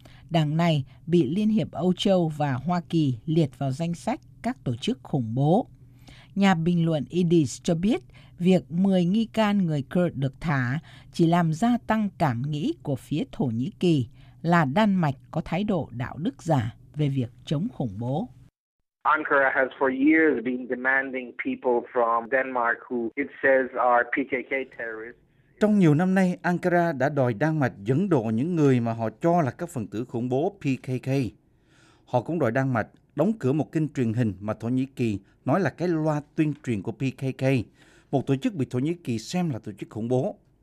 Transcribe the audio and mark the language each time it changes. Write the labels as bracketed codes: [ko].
[vi] Đảng này bị Liên hiệp Âu Châu và Hoa Kỳ liệt vào danh sách các tổ chức khủng bố. Nhà bình luận Idis cho biết việc 10 nghi can người Kurd được thả chỉ làm gia tăng cảm nghĩ của phía Thổ Nhĩ Kỳ là Đan Mạch có thái độ đạo đức giả về việc chống khủng bố. [en] Ankara has for years been demanding people from Denmark who it says are PKK terrorists. [vi] Trong nhiều năm nay, Ankara đã đòi Đan Mạch dẫn độ những người mà họ cho là các phần tử khủng bố PKK. Họ cũng đòi Đan Mạch đóng cửa một kênh truyền hình mà Thổ Nhĩ Kỳ nói là cái loa tuyên truyền của PKK, một tổ chức bị Thổ Nhĩ Kỳ xem là tổ chức khủng bố.